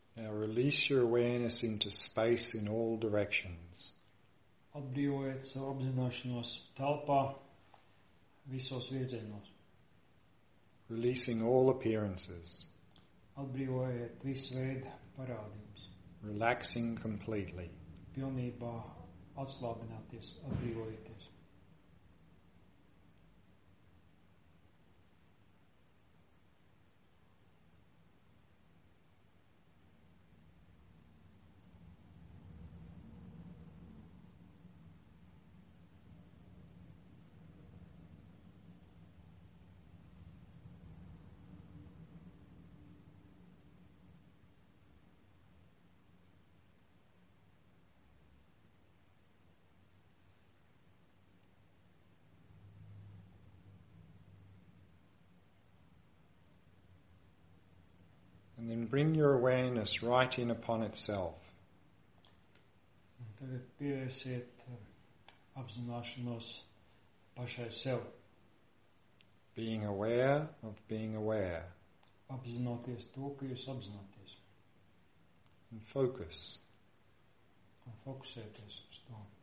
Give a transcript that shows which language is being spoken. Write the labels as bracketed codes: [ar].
[en] Release your awareness into space in all directions. [lv] Atbrīvojiet savu apzināšanos telpā visos virzienos. [en] Releasing all appearances. [lv] Atbrīvojiet visu veidu parādības. [en] Relaxing completely. [lv] Pilnībā atslābināties, atbrīvojieties. [en] And then bring your awareness right in upon itself. [lv] Tagad pievērsiet apzināšanos pašai sev. [en] Being aware of being aware. [lv] Apzinoties to, ka jūs apzināties. [en] And focus. [lv] Un fokusēties uz to.